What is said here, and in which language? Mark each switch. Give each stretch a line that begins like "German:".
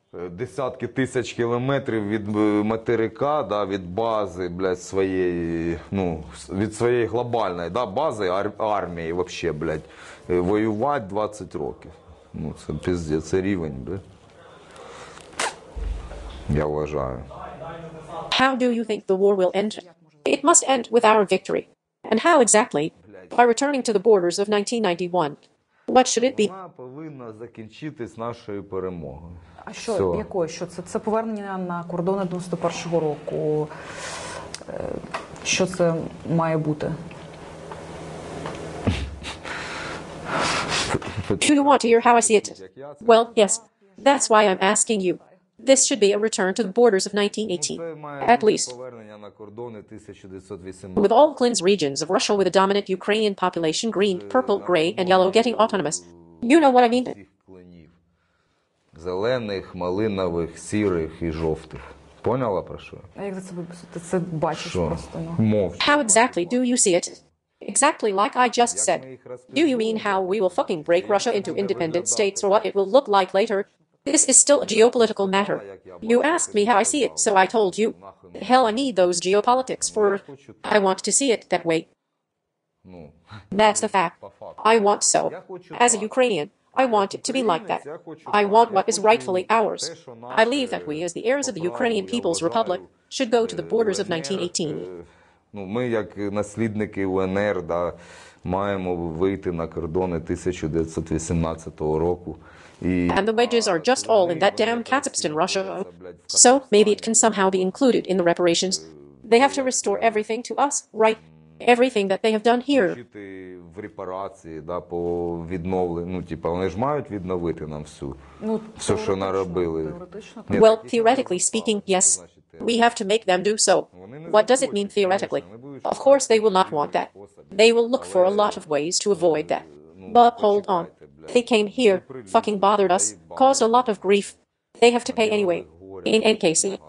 Ukrainian: Десятки тисяч кілометрів від материка, да, від бази, блядь, своєї, ну, від своєї глобальної, да, бази армії, вообще, блядь, воювати 20 років. Ну, це піздець, це рівень, блядь. Я вважаю.
English: How do you think the war will end? It must end with our victory. And how exactly? By returning to the borders of 1991. What should it be?
Ukrainian: Вона повинна закінчитись нашою перемогою. А що, все. Якою? Що це повернення на кордони 91-го року? Що це має бути?
English: Do you want to hear how I see it? Well, yes. That's why I'm asking you. This should be a return to the borders of 1918, at least.
Ukrainian: Повернення на кордони 1918.
English: With all cleansed regions of Russia with a dominant Ukrainian population, green, purple, gray, and yellow getting autonomous. You know what I mean?
Ukrainian: Зелених, малинових, сірих і жовтих. Поняла про що? А як це виписати? Це бачиш просто, ну. Мовчи.
English: How exactly do you see it? Exactly like I just said. Do you mean how we will fucking break Russia into independent states or what it will look like later? This is still a geopolitical matter. You asked me how I see it, so I told you. Hell, I need those geopolitics for... I want to see it that way. That's the fact. I want so. As a Ukrainian, I want it to be like that. I want what is rightfully ours. I believe that we, as the heirs of the Ukrainian People's Republic, should go to the borders of 1918.
Ukrainian: Ми, як наслідники УНР, маємо вийти на кордони 1918 року.
English: And the wedges are just all in that damn Kazakhstan, Russia. So, maybe it can somehow be included in the reparations. They have to restore everything to us, right? Everything that they have done here.
Ukrainian: В репарації, да, по відновлення, ну, типа, вони ж мають відновити нам всю. Ну, все, що наробили.
English: Well, theoretically speaking, yes. We have to make them do so. What does it mean theoretically? Of course they will not want that. They will look for a lot of ways to avoid that. But hold on. They came here, fucking bothered us, caused a lot of grief. They have to pay anyway. In any case.